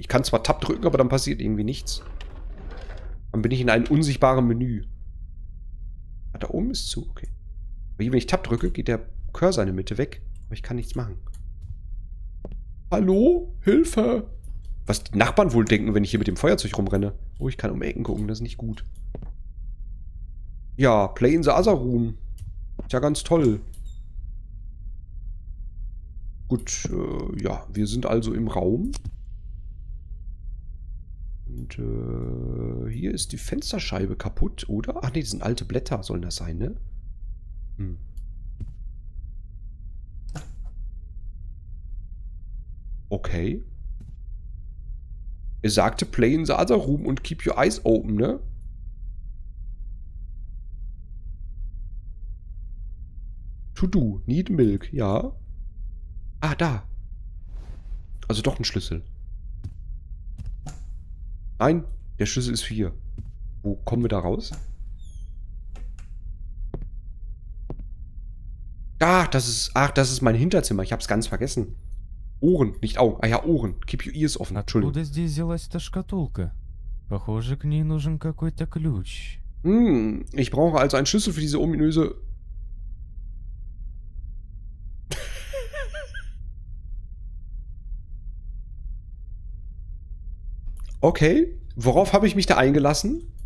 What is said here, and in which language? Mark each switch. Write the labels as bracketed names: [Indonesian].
[German] Ich kann zwar Tab drücken, aber dann passiert irgendwie nichts. Dann bin ich in einem unsichtbaren Menü. Ah, da oben ist zu. Okay. Aber hier, wenn ich Tab drücke, geht der Cursor in der Mitte weg. Aber ich kann nichts machen. Hallo? Hilfe! Was die Nachbarn wohl denken, wenn ich hier mit dem Feuerzeug rumrenne? Oh, ich kann um Ecken gucken. Das ist nicht gut. [English] Ja, play in the other room. [German] Ist ja ganz toll. Gut, ja. Wir sind also im Raum. Und hier ist die Fensterscheibe kaputt, oder? Ach nee, das sind alte Blätter, sollen das sein, ne? Hm. Okay. Er sagte, [English] play in the other room [German] und [English] keep your eyes open, [German] ne? [English] To do, need milk, [German] ja. Ah, da. Also doch ein Schlüssel. Nein, der Schlüssel ist hier. Wo kommen wir da raus? Ach, das ist mein Hinterzimmer. Ich hab's ganz vergessen. Ohren, nicht Augen. Ah ja, Ohren. [English] Keep your ears open. [German] Entschuldigung. [Russian] Откуда здесь взялась эта шкатулка? Похоже, к ней нужен какой-то ключ. [German] Ich brauche also einen Schlüssel für diese ominöse... Okay, worauf habe ich mich da eingelassen?